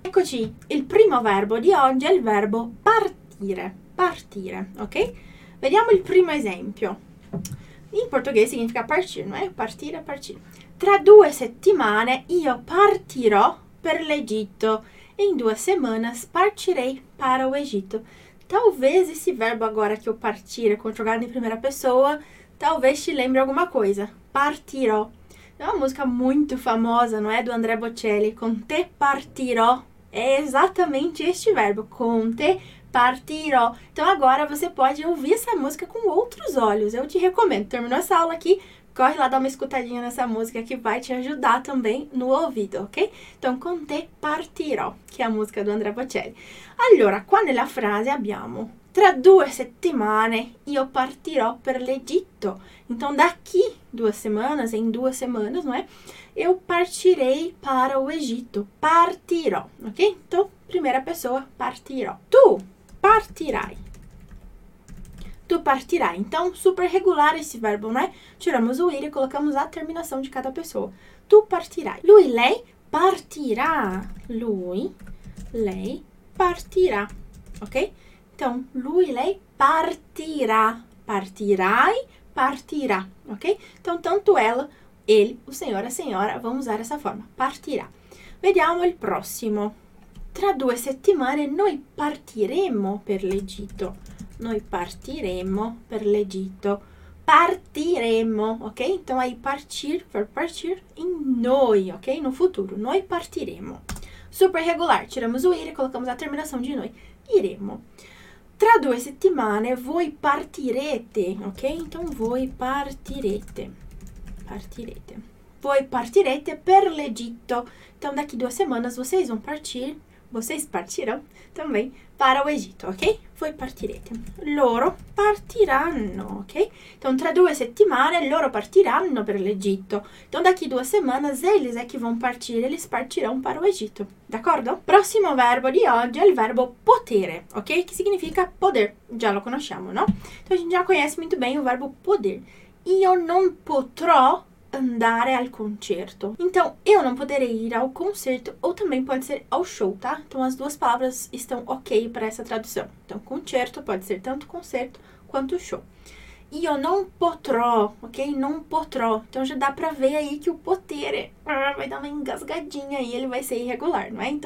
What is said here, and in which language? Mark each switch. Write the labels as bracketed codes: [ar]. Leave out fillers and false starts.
[it] Eccoci, il primo verbo di oggi è il verbo partire. Partire, ok? Vediamo il primo esempio. In portoghese significa partire, non è partire, partire. Tra 2 settimane io partirò per l'Egitto. [pt] In 2 settimane partirei para o Egito. Talvez esse verbo agora que eu partire, conjugado em primeira pessoa, talvez te lembre alguma coisa. Partirò. É uma música muito famosa, não é? Do André Bocelli. [it] Con te partirò. [pt] É exatamente este verbo. [it] Con te partirò. [pt] Então agora você pode ouvir essa música com outros olhos. Eu te recomendo. Terminou essa aula aqui. Corre lá dar uma escutadinha nessa música que vai te ajudar também no ouvido, ok? Então, [it] con te partirò, [pt] que é a música do André Bocelli. [it] Allora, qua nella frase abbiamo: tra 2 settimane io partirò per l'Egitto. [pt] Então, daqui 2 settimane, em 2 settimane, não é? Eu partirei para o Egito. Partirò, ok? Então, primeira pessoa, partirò. [it] Tu partirai. Tu partirai. [pt] Então, super regular esse verbo, não é? Tiramos o ir e colocamos a terminação de cada pessoa. [it] Tu partirai. Lui, lei partirá. Lui, lei partirá. Ok? Então, lui, lei partirá. Partirai, partirá. Ok? [pt] Então, tanto ela, ele, o senhor, a senhora, vão usar essa forma. [it] Partirá. Vediamo il prossimo. Tra 2 settimane noi partiremo per l'Egitto. Noi partiremo per l'Egitto. Partiremo, ok? [pt] Então aí partir, per partir, in noi, ok? No futuro, noi partiremo. Super regular, tiramos o ir e colocamos a terminação de noi. [it] Iremo. Tra 2 settimane voi partirete, ok? Então voi partirete. Partirete. Voi partirete per l'Egitto. [pt] Então daqui 2 settimane vocês vão partir. Vocês partirão também para o Egito, ok? [it] Voi partirete. Loro partiranno, ok? Então, tra 2 settimane loro partiranno per l'Egitto. [pt] Então, daqui 2 settimane eles é que vão partir, eles partirão para o Egito, d'accordo? [it] Prossimo verbo di oggi è il verbo potere, ok? Che significa poder. Già lo conosciamo, no? [pt] Então, a gente già conhece muito bem o verbo poder. [it] Io non potrò andare al concerto. [pt] Então, eu não poderei ir ao concerto ou também pode ser ao show, tá? Então, as duas palavras estão ok para essa tradução. Então, concerto pode ser tanto concerto quanto show. [it] Io non potrò, [pt] ok? [it] Non potrò. [pt] Então, já dá para ver aí que o potere vai dar uma engasgadinha aí, ele vai ser irregular, não é?